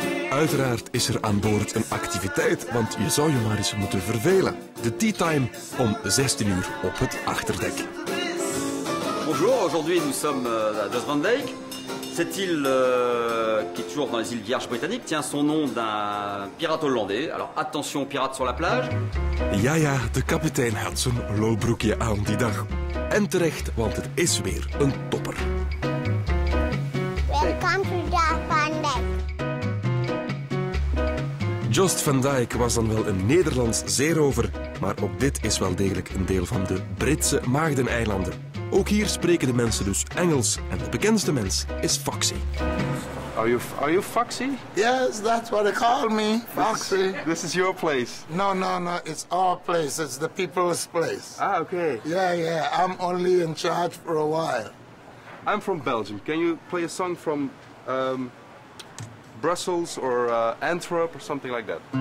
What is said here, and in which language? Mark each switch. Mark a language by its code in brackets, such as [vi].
[nl] Uiteraard is er aan boord een activiteit, want je zou je maar eens moeten vervelen. De tea time om 16 uur op het achterdek. [fr] Bonjour, aujourd'hui nous sommes à Jos Van Dijk. Cette île qui est toujours dans les îles Vierges britanniques tient son nom d'un pirate hollandais. Alors attention aux pirates sur la plage. [nl] Ja, ja, de kapitein had zijn lolbroekje aan die dag. En terecht, want het is weer een topper. Welkom to Jos Van Dijk. Jos Van Dijk was dan wel een Nederlands zeerover, maar ook dit is wel degelijk een deel van de Britse Maagdeneilanden. Ook hier spreken de mensen dus Engels en de bekendste mens is Foxy. [en] Are you Foxy? Yes, that's what they call me, Foxy. This is your place? No, it's our place, it's the people's place. Ah, okay. Yeah, I'm only in charge for a while. I'm from Belgium, can you play a song from Brussels or Antwerp or something like that?